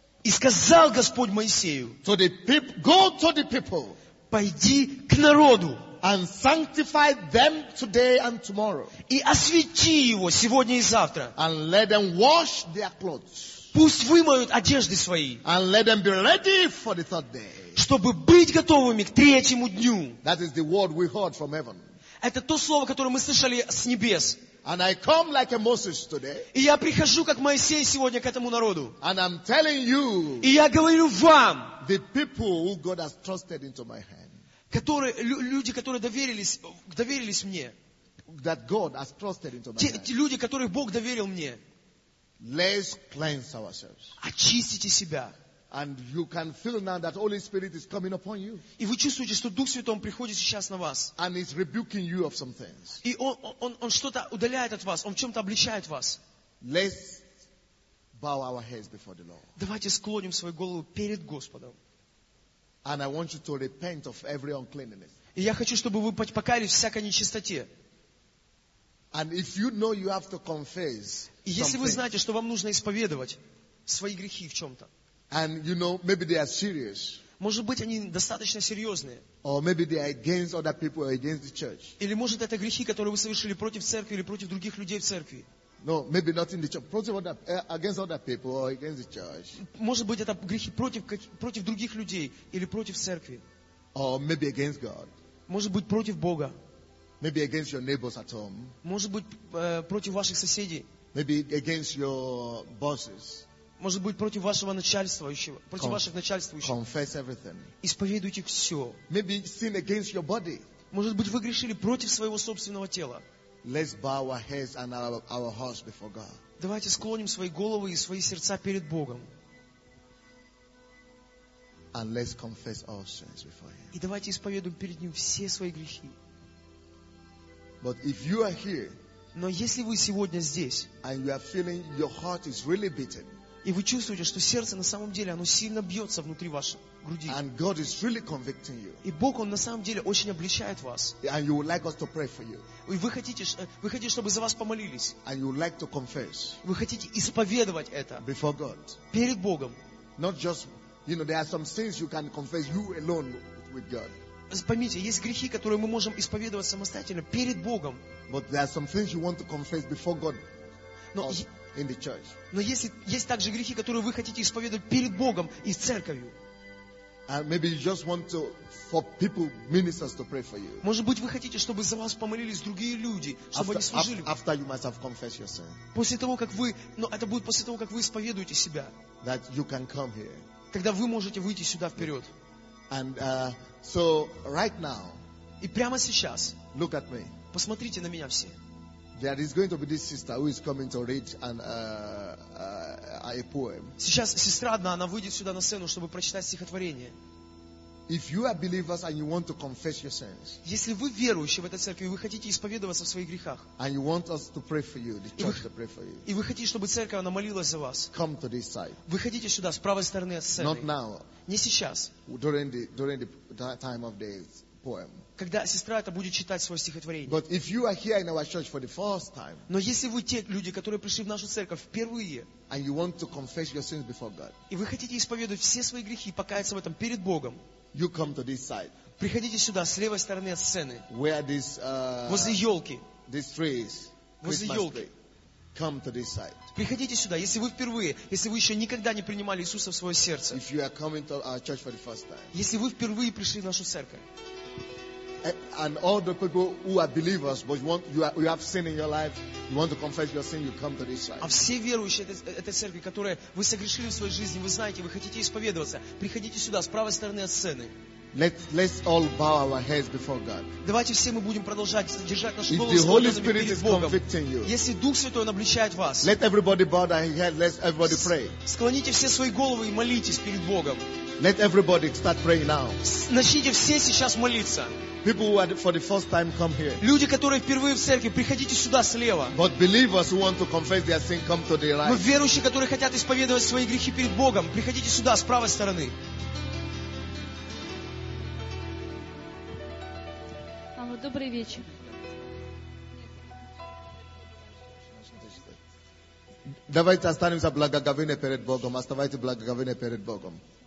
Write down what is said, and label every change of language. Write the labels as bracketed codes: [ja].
[ru] И сказал Господь Моисею, [en] to the go to the people, [ru] пойди к народу, [en] and sanctify them today and tomorrow, [ru] и освети его сегодня и завтра, [en] and let them wash their clothes, [ru] пусть вымоют одежды свои, [en] and let them be ready for the third day, [ru] чтобы быть готовыми к третьему дню. [en] That is the word we heard from heaven. [ru] Это то слово, которое мы слышали с небес. [en] And I come like a Moses today. [ru] И я прихожу как Моисей сегодня к этому народу. [en] And I'm telling you. [ru] И я говорю вам. [en] The people who God has trusted into my hand. [ru] Которые люди, которые доверились мне. [en] That God has trusted into my hand. [ru] Те люди, которых Бог доверил мне. [en] Let's cleanse ourselves. [ru] Очистите себя. [en] And you can feel now that Holy Spirit is coming upon you. [ru] И вы чувствуете, что Дух Святой приходит сейчас на вас. [en] And he's rebuking you of some things. [ru] И он что-то удаляет от вас, он в чем-то обличает вас. [en] Let's bow our heads before the Lord. [ru] Давайте склоним свою голову перед Господом. [en] And I want you to repent of every uncleanness. [ru] И я хочу, чтобы вы покаялись всякой нечистоте. [en] And if you know you have to confess, [ru] и если вы знаете, что вам нужно исповедовать свои грехи в чем-то, [en] and you know maybe they are serious, [ru] может быть они достаточно серьезные, [en] or maybe they are against other people or against the church, [ru] или может это грехи, которые вы совершили против церкви или против других людей в церкви. [en] No, maybe not in the church, [ru] против [en] against other people or against the church. [ru] Может быть это грехи против других людей или против церкви. [en] Or maybe against God. [ru] Может быть против Бога. [en] Maybe against your neighbors at home. [ru] Может быть против ваших соседей. [en] Maybe against your bosses. [ru] Может быть против вашего начальствующего, против ваших начальствующих. [en] Confess everything. [ru] Исповедуйте все. [en] Maybe sin against your body. [ru] Может быть вы грешили против своего собственного тела. [en] Let's bow our heads and our hearts before God. [ru] Давайте склоним свои головы и свои сердца перед Богом. [en] And let's confess our sins before Him. [ru] И давайте исповедуем перед Ним все свои грехи. [en] But if you are here, [ru] но если вы сегодня здесь, [en] and you are feeling your heart is really beating, [ru] и вы чувствуете, что сердце на самом деле оно сильно бьется внутри вашей груди, [en] and God is really convicting you, [ru] и Бог он на самом деле очень обличает вас, [en] and you would like us to pray for you, [ru] и вы хотите, чтобы за вас помолились, [en] and you would like to confess, [ru] вы хотите исповедовать это [en] before God, [ru] перед Богом, [en] not just, you know, there are some sins you can confess you alone with God. [ru] Поймите, есть грехи, которые мы можем исповедовать самостоятельно перед Богом. [en] But there are some things you want to confess before God. [ru] Но [en] in the church. [ru] Но есть также грехи, которые вы хотите исповедовать перед Богом и церковью. [en] And maybe you just want to for people, ministers to pray for you. [ru] Может быть, вы хотите, чтобы за вас помолились другие люди, чтобы они служили. [en] After you must have confessed your sin. [ru] После того, как вы, но это будет после того, как вы исповедуете себя. [en] That you can come here. [ru] Тогда вы можете выйти сюда вперед. [en] And so right now, [ru] и прямо сейчас, [en] look at me. [ru] Посмотрите на меня все. [en] There is going to be this sister who is coming to read a poem. [ru] Сейчас сестра одна, она выйдет сюда на сцену, чтобы прочитать стихотворение. [en] If you are believers and you want to confess your sins, [ru] если вы верующий в этой церкви и вы хотите исповедоваться в своих грехах, [en] and you want us to pray for you, the church to pray for you, [ru] и вы хотите, чтобы церковь она молилась за вас, [en] come to this side. [ru] Выходите сюда с правой стороны от сцены. [en] Not now. [ru] Не сейчас. [en] During the time of the poem. [ru] Когда сестра это будет читать свое стихотворение. [en] But if you are here in our church for the first time, [ru] но если вы те люди, которые пришли в нашу церковь впервые, [en] and you want to confess your sins before God, [ru] и вы хотите исповедовать все свои грехи и покаяться в этом перед Богом, [en] you come to this side. [ru] Приходите сюда с левой стороны от сцены. [en] Where this [ru] возле елки. [en] This tree is. [ru] Возле елки. [en] Come to this side. [ru] Приходите сюда, если вы впервые, если вы еще никогда не принимали Иисуса в свое сердце. [en] If you are coming to our church for the first time. [ru] Если вы впервые пришли в нашу церковь. [en] And all the people who are believers, but you have sin in your life, you want to confess your sin, you come to this side. [ru] А все верующие этой церкви, которые вы согрешили в своей жизни, вы знаете, вы хотите исповедоваться, приходите сюда с правой стороны от сцены. [en] Let's all bow our heads before God. [ru] Давайте все мы будем продолжать держать наши головы. [en] If the Holy Spirit is convicting you, [ru] если Дух Святой он обличает вас, [en] let everybody bow their head, let everybody pray. [ru] Склоните все свои головы и молитесь перед Богом. [en] Let everybody start praying now. [ru] Начните все сейчас молиться. [en] People who are for the first time come here. [ru] Люди, которые впервые в церкви, приходите сюда слева. [en] But believers who want to confess their sin, come to the right. [ru] Но верующие, которые хотят исповедовать свои грехи перед Богом, приходите сюда с правой стороны. Алло, добрый вечер. Давайте останемся благоговение перед Богом. Оставайте благоговение перед Богом.